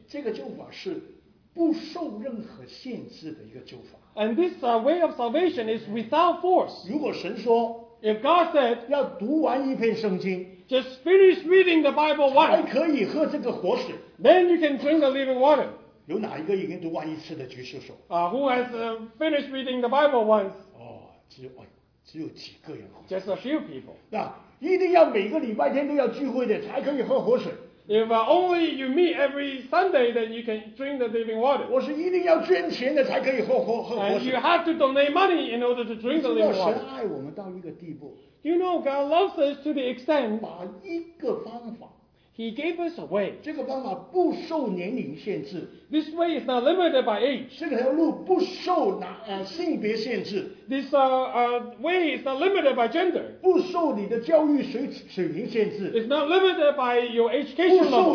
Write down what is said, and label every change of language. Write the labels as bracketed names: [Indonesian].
[Chinese] 这个救法是不受任何限制的一个救法。 [English] And this way of salvation is without force. [Chinese] 如果神说 [English] If God said, [Chinese] 要读完一篇圣经。 [English] Just finish reading the Bible once. [Chinese] 才可以喝这个活水。 [English] Then you can drink the living water. [Chinese] 有哪一个已经读完一次的举手手？ [English] Who has finished reading the Bible once? [Chinese] 哦，只有几个人。 [English] Just a few people. [Chinese] 那一定要每个礼拜天都要聚会的才可以喝活水。 [English] If only you meet every Sunday, then you can drink the living water. [Chinese] 我是一定要捐钱的才可以喝活水。 [English] And you have to donate money in order to drink the living water. [Chinese] 你知道神爱我们到一个地步。 [English] You know, God loves us to the extent [Chinese] 把一个方法 [English] He gave us a way. [Chinese] 这个方法不受年龄限制。 [English] This way is not limited by age. [Chinese] 这条路不受性别限制。 [English] This way is not limited by gender. [Chinese] 不受你的教育水平限制。 [English] It's not limited by your education level.